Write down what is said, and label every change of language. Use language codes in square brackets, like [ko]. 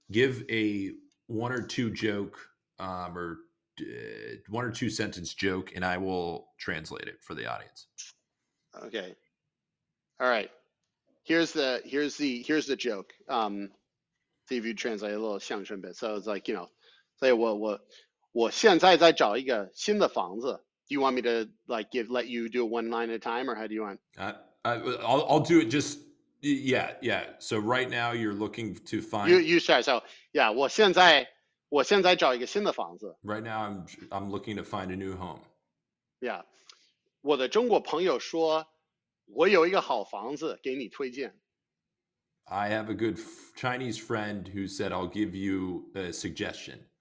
[en] give a one or two joke or one or two sentence joke, and I will translate it for the audience. Okay. All right. Here's the joke. See if you translate a little 相声 bit. So it's like, you know, say, like, well, what? [zh] 我现在在找一个新的房子. [en] Do you want me to like let you do it one line at a time, or how do you want? I'll do it just yeah. So right now you're looking to find. You start. So yeah, [zh] 我现在找一个新的房子. [en] Right now I'm looking to find a new home. [zh] Yeah, 我的中国朋友说，我有一个好房子给你推荐. [en] I have a good Chinese friend who said I'll give you a suggestion.